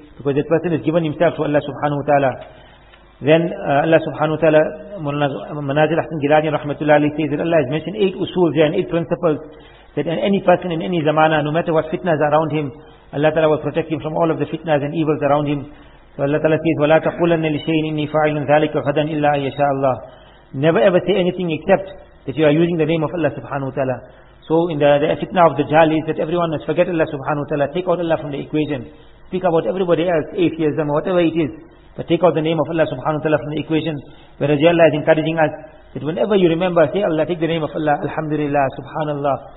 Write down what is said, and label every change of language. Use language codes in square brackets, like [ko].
[en] Because that person has given himself to Allah subhanahu wa ta'ala. Then Allah subhanahu wa ta'ala, Manazil Ahsan Gilani rahmatullahi says that Allah has mentioned 8 usools and 8 principles. that any person in any zamana, no matter what fitnas around him, Allah Ta'ala will protect him from all of the fitnas and evils around him. So Allah Ta'ala says, [ar] وَلَا تَقُولَنَّ لِشَيْءٍ إِنِّي فَاعِلٌ ذَلِكَ غَدًا إِلَّا أَنْ يَشَاءَ اللَّهُ. [en] Never ever say anything except that you are using the name of Allah Subhanahu Wa Ta'ala. So in the fitna of the Jahl is that everyone must forget Allah Subhanahu Wa Ta'ala, take out Allah from the equation. Speak about everybody else, atheism, whatever it is, but take out the name of Allah Subhanahu Wa Ta'ala from the equation. Whereas Allah is encouraging us that whenever you remember, say Allah, take the name of Allah, Alhamdulillah, Subhanallah.